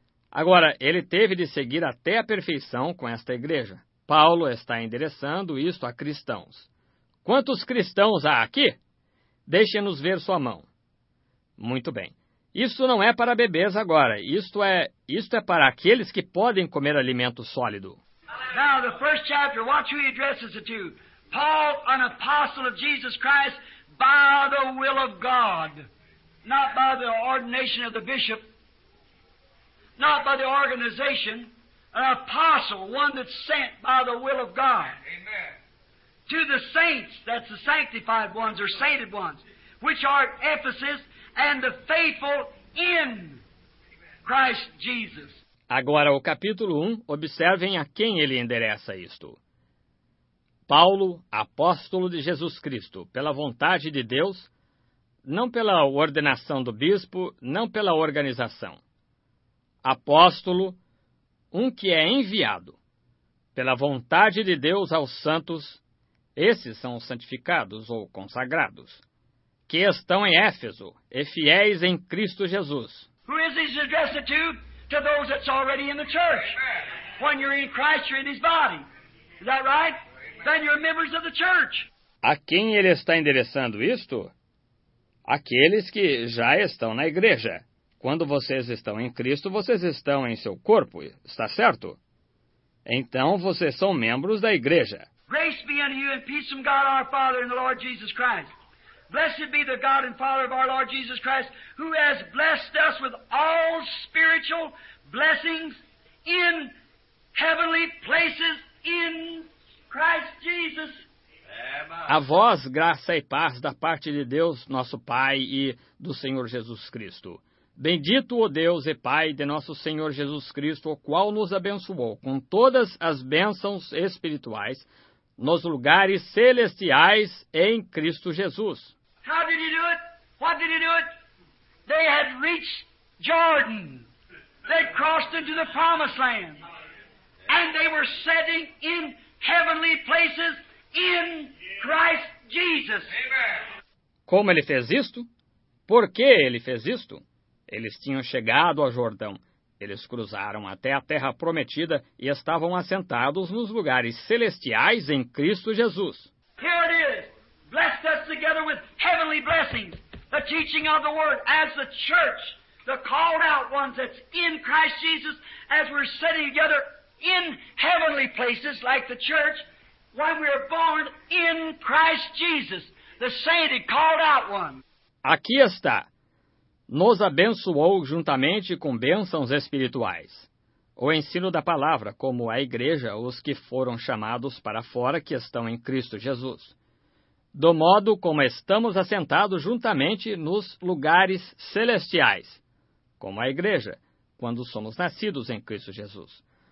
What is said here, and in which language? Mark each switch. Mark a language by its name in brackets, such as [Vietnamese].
[Portuguese] Agora, ele teve de seguir até a perfeição com esta igreja. Paulo está endereçando isto a cristãos. Quantos cristãos há aqui? Deixe-nos ver sua mão. Muito bem. Isto não é para bebês agora. Isto é para aqueles que podem comer alimento sólido. [English] Now, the first chapter, watch who he addresses it to. Paul, an apostle of Jesus Christ, by the will of God. Not by the ordination of the bishop. Not by the organization. An apostle, one that's sent by the will of God. Amen. To the saints, that's the sanctified ones or sainted ones, which are at Ephesus and the faithful in Christ Jesus. [Portuguese] Agora, o capítulo 1, observem a quem ele endereça isto. Paulo, apóstolo de Jesus Cristo, pela vontade de Deus, não pela ordenação do bispo, não pela organização. Apóstolo, um que é enviado, pela vontade de Deus aos santos, esses são os santificados ou consagrados, que estão em Éfeso e fiéis em Cristo Jesus. [English] Who is he addressed to? To those that's already in the church. When you're in Christ, you're in his body. Is that right? Then you're members of the church. [Portuguese] A quem ele está endereçando isto? Aqueles que já estão na igreja. Quando vocês estão em Cristo, vocês estão em seu corpo, está certo? Então vocês são membros da igreja. [English] Grace be unto you and peace from God our Father and the Lord Jesus Christ. Blessed be the God and Father of our Lord Jesus Christ, who has blessed us with all spiritual blessings in heavenly places in Christ Jesus. [Portuguese] A vós, graça e paz da parte de Deus, nosso Pai e do Senhor Jesus Cristo. Bendito o Deus e Pai de nosso Senhor Jesus Cristo, o qual nos abençoou com todas as bênçãos espirituais nos lugares celestiais em Cristo Jesus. [English] How did he do it? What did he do it? They had reached Jordan. They crossed into the Promised Land. And they were sitting in heavenly places in Christ Jesus. Amen. [Portuguese] Como ele fez isto? Por que ele fez isto? Eles tinham chegado ao Jordão. Eles cruzaram até a Terra Prometida e estavam assentados nos lugares celestiais em Cristo Jesus. [English] Here it is. Blessed us together with heavenly blessings. The teaching of the Word as the church. The called out ones that's in Christ Jesus as we're sitting together in heavenly places like the church when we are born in Christ Jesus. The sainted called out one. [Portuguese] Aqui está. Nos abençoou juntamente com bênçãos espirituais. O ensino da palavra, como a igreja, os que foram chamados para fora que estão em Cristo Jesus. Do modo como estamos assentados juntamente nos lugares celestiais, como a igreja, quando somos nascidos em Cristo Jesus.